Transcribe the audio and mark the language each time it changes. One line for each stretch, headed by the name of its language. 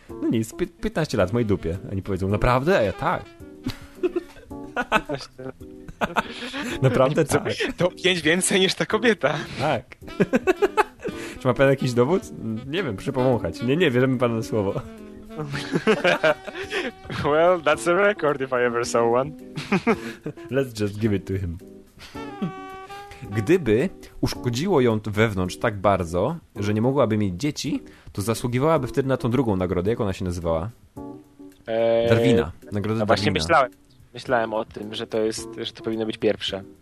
Polish: No nic, 15 lat w mojej dupie. A oni powiedzą, naprawdę? A ja tak. Naprawdę tak. To 5 więcej niż ta kobieta. Tak. Czy ma pan jakiś dowód? Nie wiem, przypomąchać. Nie, wierzymy panu na słowo.
English: Well, that's a record if I ever saw one. Let's just give it to him.
Polish: Gdyby uszkodziło ją wewnątrz tak bardzo, że nie mogłaby mieć dzieci, to zasługiwałaby wtedy na tą drugą nagrodę. Jak ona się nazywała? Darwina. Nagroda no właśnie Darwina. Myślałem o tym, że to powinno być pierwsze.